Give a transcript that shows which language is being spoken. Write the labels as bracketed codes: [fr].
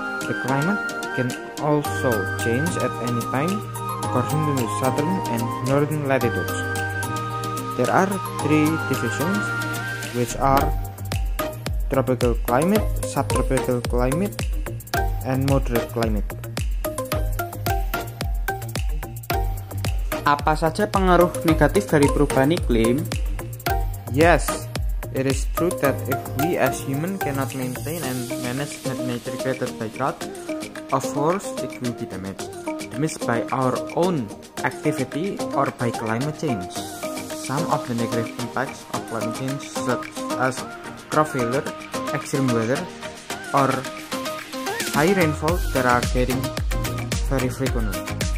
[en] The climate can also change at any time according to the southern and northern latitudes. There are three divisions, which are tropical climate, subtropical climate, and moderate climate. [id] Apa saja pengaruh negatif dari perubahan iklim? [en] Yes, it is true that if we as human cannot maintain and manage that nature created by God, of course it will be damaged by our own activity or by climate change. Some of the negative impacts of climate change, such as crop failure, extreme weather, or high rainfall that are getting very frequently.